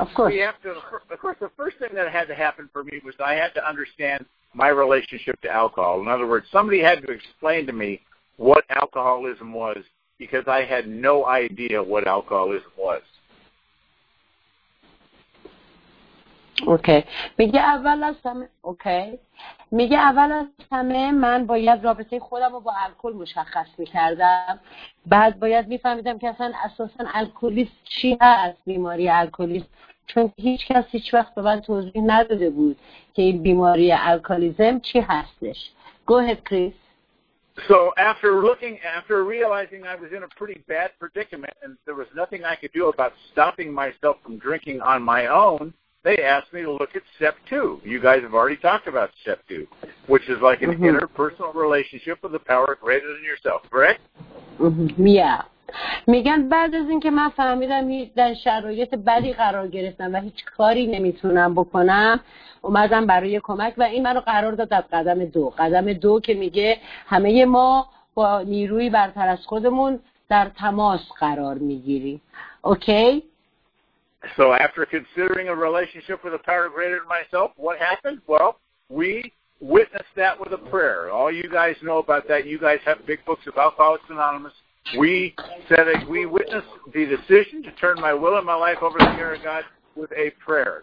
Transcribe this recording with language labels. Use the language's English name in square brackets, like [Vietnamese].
[English] The first thing that had to happen for me was I had to understand my relationship to alcohol. In other words, somebody had to explain to me what alcoholism was because I had no idea what alcoholism was. [Persian] اوکی میگه اول از همه من باید رابطه خودم رو با الکل مشخص میکردم. بعد باید میفهمیدم که اصلا اساساً الکلیست چی هست، بیماری الکلیست، چون هیچ کس هیچ وقت به من توضیح نداده بود که این بیماری الکلیزم چی هستش. [English] Go ahead, Chris. So after realizing I was in a pretty bad predicament and there was nothing I could do about stopping myself from drinking on my own, they asked me to look at step two. You guys have already talked about step two, which is like an interpersonal relationship with a power greater than yourself, correct? Mm-hmm. Yeah. [Persian] میگن بعد از این که من فهمیدم در شرایط بدی قرار گرفتم و هیچ کاری نمیتونم بکنم، اومدم برای کمک و این منو قرار داد در قدم دو. قدم دو که میگه همه ما با نیروی برتر از خودمون در تماس قرار میگیریم. [English] Okay? So after considering a relationship with a power greater than myself, what happened? Well, we witnessed that with a prayer. All you guys know about that. You guys have big books of Alcoholics Anonymous. We witnessed the decision to turn my will and my life over to the care of God with a prayer.